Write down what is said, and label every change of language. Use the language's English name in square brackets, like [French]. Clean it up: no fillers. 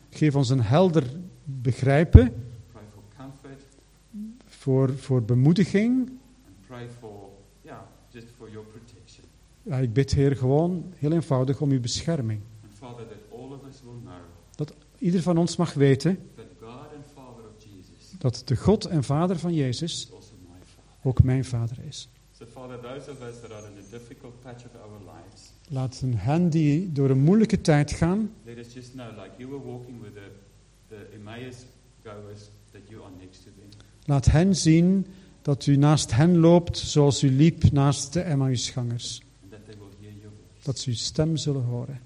[Dutch] Geef ons een helder begrijpen. [English] Pray for comfort. [Dutch] Voor bemoediging. [English] And pray for, yeah, just for your protection. [Dutch] Ja, ik bid, Heer, gewoon heel eenvoudig om uw bescherming. [English] And Father, that all of us will know. [Dutch] Dat ieder van ons mag weten [English] that God and Father of Jesus. [Dutch] Dat de God en Vader van Jezus ook mijn vader is. [English] So Father, those of us that are in a difficult patch of our lives. [Dutch] Laat hen die door een moeilijke tijd gaan. [English] Let us just know, like you were walking with the Emmaus goers, that you are next to them. [Dutch] Laat hen zien dat u naast hen loopt, zoals u liep naast de Emmausgangers. [English] And that they will hear your voice. [Dutch] Dat ze uw stem zullen horen.